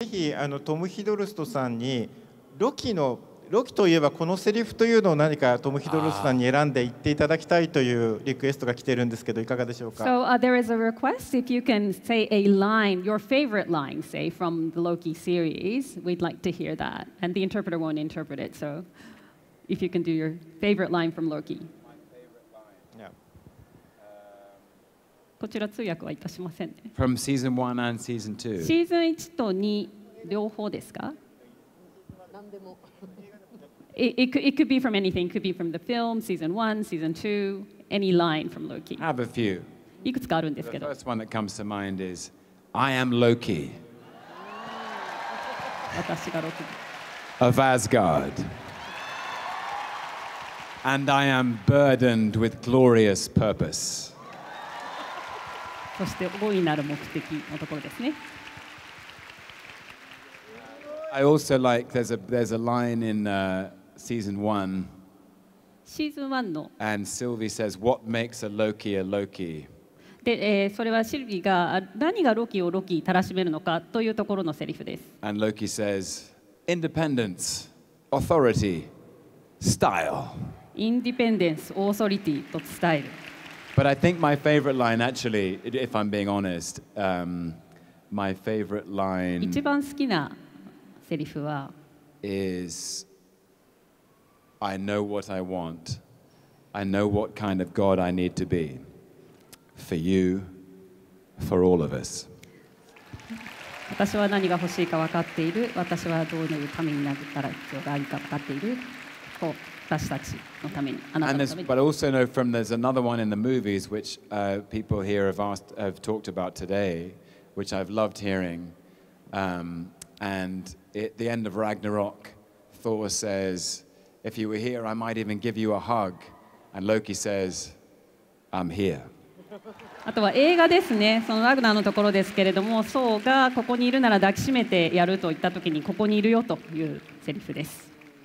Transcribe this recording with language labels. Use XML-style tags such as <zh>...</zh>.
<ja>ひトム・ヒドルストさんにロキといえばこのセリフというのを何かトム・ヒドルストさんに選んで言っていただきたいというリクエストが来ているんですけどいかがでしょうか。</ja> <en>So, there is a request if you can say a line, your favorite line, say from the Loki series, we'd like to hear that. And the interpreter won't interpret it, so if you can do your favorite line from Loki. My favorite line.</en> <ja>こちら通訳はいたしませんね。</ja> <en>From season 1 and season 2.</en> <ja>Season 1と2両方ですか？</ja> <en>It could be from anything. It could be from the film, season 1, season 2, any line from Loki. I have a few.</en> <ja>いくつかあるんですけど。</ja> <en>The first one that comes to mind is, I am Loki.</en> <ja>私がロキ。</ja> <en>Of Asgard. And I am burdened with glorious purpose.</en> <ja>そして大いなる目的のところですね。</ja> <en>I also like there's a line in season 1.</en> <ja>Season 1 の</ja> <en>And Sylvie says what makes a Loki a Loki.</en> <ja>で、それはシルビーが何がロキをロキたらしめるのかというところのセリフです。</ja> <en>And Loki says independence, authority, style. Independence, authority, style. But I think my favorite line actually, if I'm being honest, my favorite line</en> <ja>一番好きなセリフは</ja> <en>is I know what I want. I know what kind of God I need to be. For you, for all of us.</en> <ja>私は何が欲しいか分かっている。私はどういう神になったら必要があるか分かっている。こう私たちのために、あなたのために。</ja> <en>But also know from there's another one in the movies which people here have talked about today, which I've loved hearing. And at the end of Ragnarok, Thor says, if you were here, I might even give you a hug. And Loki says, I'm here.</en> <ja>あとは映画ですね。そのラグナーのところですけれども、ソーがここにいるなら抱きしめてやると言ったときに、ここにいるよというセリフです。</ja>